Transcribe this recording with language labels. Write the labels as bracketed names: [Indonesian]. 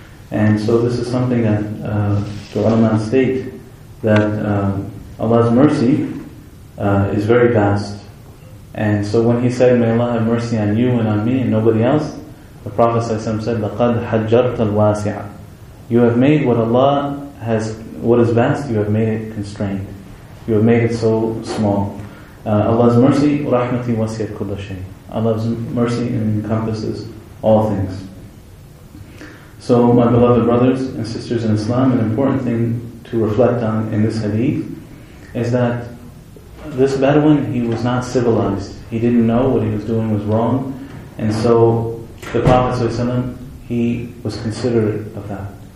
[English] And so this is something that the ulama state, that Allah's mercy is very vast. And so when he said, may Allah have mercy on you and on me and nobody else, the Prophet ﷺ said, [Arabic] لَقَدْ حَجَّرْتَ الْوَاسِعَ. [English] You have made what Allah has, what is vast, you have made it constrained. You have made it so small. Allah's mercy, [Arabic] رَحْمَةِ وَسِيَتْ كُلَّ شَيْءٍ. [English] Allah's mercy encompasses all things. So my beloved brothers and sisters in Islam, an important thing to reflect on in this hadith is that this Bedouin, he was not civilized. He didn't know what he was doing was wrong. And so the Prophet ﷺ, he was considerate of that.